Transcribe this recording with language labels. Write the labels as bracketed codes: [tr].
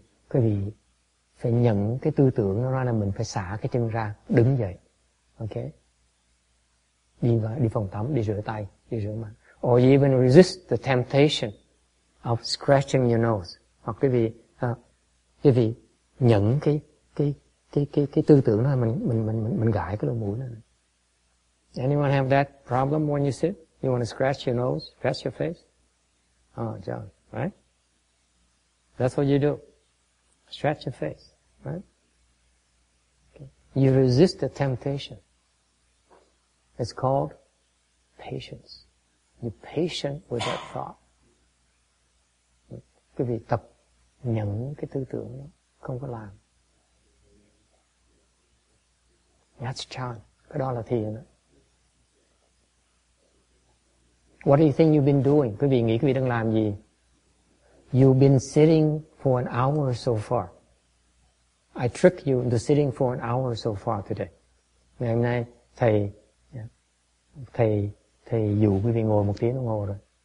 [vi] Quý vị phải nhận cái tư tưởng nó ra là mình phải xả cái chân ra, đứng dậy. Okay? Đi phòng tắm, đi rửa tay, đi rửa mặt. [en] Or you even resist the temptation of scratching your nose. [vi] Hoặc quý vị nhận cái tư tưởng đó là mình gãi cái lỗ mũi này. [en] Anyone have that problem when you sit? You want to scratch your nose, scratch your face? Oh, John, right? That's what you do. Stretch your face, right? Okay. You resist the temptation. It's called patience. You're patient with that thought. [vi] Quý vị tập nhẫn cái tư tưởng đó. không có làm. [en] That's chan. [vi] Cái đó là thiền đó. [en] What do you think you've been doing? [vi] Quý vị nghĩ quý vị đang làm gì? [en] You've been sitting for an hour so far. I tricked you into sitting for an hour so far today. [vi] Ngày hôm nay, thầy dụ quý vị ngồi một tiếng đồng hồ rồi.